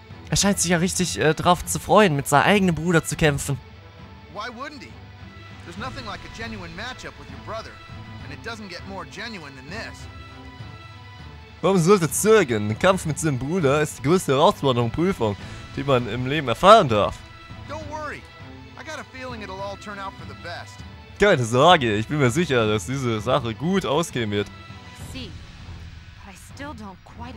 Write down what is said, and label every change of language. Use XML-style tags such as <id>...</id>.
<de>Er scheint sich ja richtig drauf zu freuen, mit seinem eigenen Bruder zu kämpfen.</de> <en>Why wouldn't he? There's nothing like a genuine matchup with your brother. And it doesn't get more genuine than this.</en> <de>Warum sollte zögern? Ein Kampf mit seinem Bruder ist die größte Herausforderung und Prüfung, die man im Leben erfahren darf.</de> <en>Don't worry. I got a feeling it'll all turn out for the best.</en> <de>Keine Sorge, ich bin mir sicher, dass diese Sache gut ausgehen wird.</de> <en>See, but I still don't quite</en>